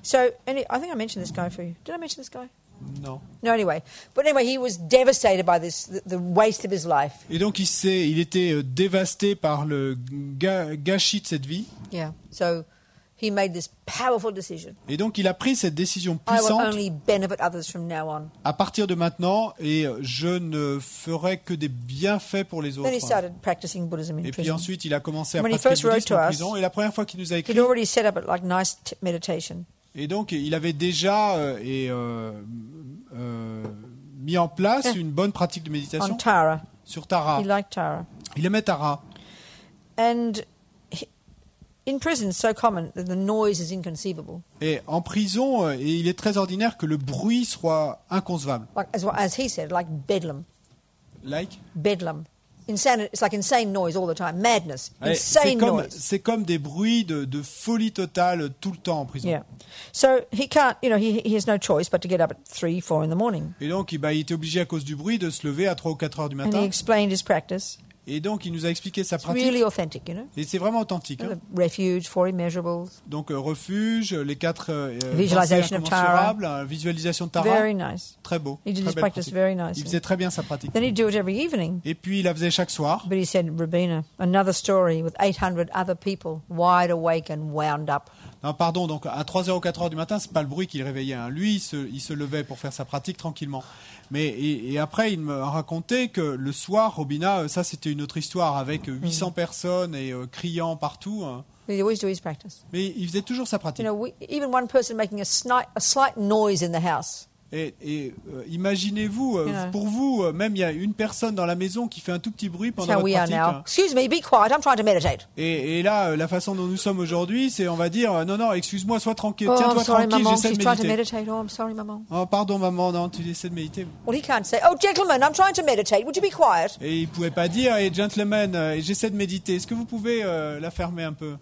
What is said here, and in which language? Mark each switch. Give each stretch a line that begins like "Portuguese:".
English: So any, I think I mentioned this guy for you. Did I mention this guy? No. No, anyway. But anyway, he was devastated by this, the waste of his life.
French: Et donc il était dévasté par le gâchis de cette vie.
English: Yeah. So he made this powerful decision.
French: Et donc il a pris cette décision puissante.
English: I will only benefit others from now on.
French: À partir de maintenant, et je ne ferai que des bienfaits pour les autres.
English: Then he started practicing Buddhism in prison.
French: Et puis ensuite, il a commencé à pratiquer le bouddhisme en prison. Et la première fois qu'il nous a écrit,
English: he'd already set up like nice meditation.
French: Et donc il avait déjà mis en place une bonne pratique de méditation.
English: On Tara.
French: Sur Tara.
English: He liked Tara.
French: Il aimait Tara.
English: And in prison, it's so common that the noise is inconceivable. Et en prison, il est très ordinaire que le bruit soit inconcevable. Like, as he said, like bedlam. Like? Bedlam. Insane, it's like insane noise all the time. Madness. Insane noise.
French: C'est comme des bruits de folie totale tout le temps en prison.
English: Yeah. So he can't, you know, he has no choice but to get up at 3-4 in the morning.
French: Et donc, il était obligé à cause du bruit de se lever à 3 ou 4 heures du matin.
English: And he explained his practice.
French: Et donc, il nous a expliqué sa pratique.
English: Really authentic, you know?
French: Et c'est vraiment authentique. Hein?
English: Refuge, 4 immeasurables.
French: Donc, refuge, les 4 visualisation incommensurables, visualisation de Tara.
English: Very nice.
French: Très beau.
English: He did
French: très
English: his practice
French: pratique.
English: Very nicely.
French: Il faisait très bien sa pratique.
English: Then he'd do it every evening.
French: Et puis, il la faisait chaque soir.
English: But he said, Rabina, another story with 800 other people wide awake and wound up.
French: Non, pardon, donc à 3h ou 4h du matin, ce n'est pas le bruit qui le réveillait. Hein. Lui, il se levait pour faire sa pratique tranquillement. Mais, et après, il me racontait que le soir, Robina, ça c'était une autre histoire, avec 800 personnes et criant partout.
English: He'd always do his practice.
French: Mais il faisait toujours sa pratique.
English: You know, even one person making a slight noise in the house.
French: Et imaginez-vous, pour vous, même il y a une personne dans la maison qui fait un tout petit bruit pendant pratique.
English: Excuse me, be quiet, I'm trying to meditate.
French: Et là, la façon dont nous sommes aujourd'hui, c'est on va dire, non, excuse-moi, sois tranquille, tiens-toi tranquille,
English: sorry,
French: j'essaie maman, de méditer.
English: Oh, I'm sorry, maman, she's trying to meditate. Oh, I'm sorry, maman.
French: Oh, pardon, maman, non, tu essaies de méditer.
English: Well, he can't say, oh, gentlemen, I'm trying to meditate, would you be quiet?
French: Et il ne pouvait pas dire, hey, gentlemen, j'essaie de méditer. Est-ce que vous pouvez la fermer un peu?